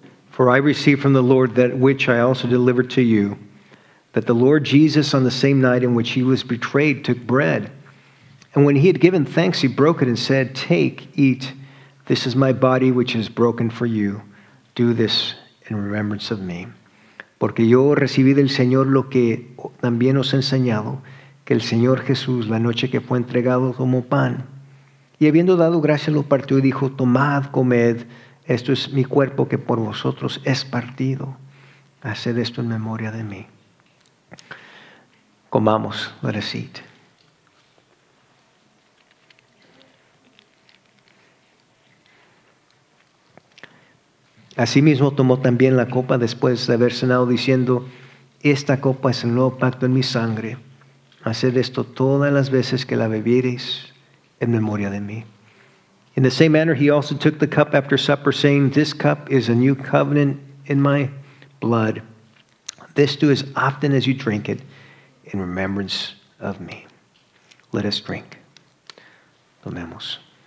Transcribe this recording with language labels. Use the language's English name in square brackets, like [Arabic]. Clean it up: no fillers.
[English] For I received from the Lord that which I also delivered to you, that the Lord Jesus, on the same night in which he was betrayed, took bread. And when he had given thanks, he broke it and said, "Take, eat, this is my body which is broken for you. Do this in remembrance of me." [Spanish] Porque yo recibí del Señor lo que también os he enseñado, que el Señor Jesús, la noche que fue entregado, tomó pan. Y habiendo dado gracias, lo partió y dijo, "Tomad, comed, esto es mi cuerpo que por vosotros es partido. Haced esto en memoria de mí." Comamos, [English] let us eat. [Spanish] Asimismo tomó también la copa después de haber cenado, diciendo, "Esta copa es el nuevo pacto en mi sangre. Haced esto todas las veces que la bebiereis en memoria de mí." [English] In the same manner, he also took the cup after supper, saying, "This cup is a new covenant in my blood. This do as often as you drink it in remembrance of me." Let us drink. [Spanish] Tomemos.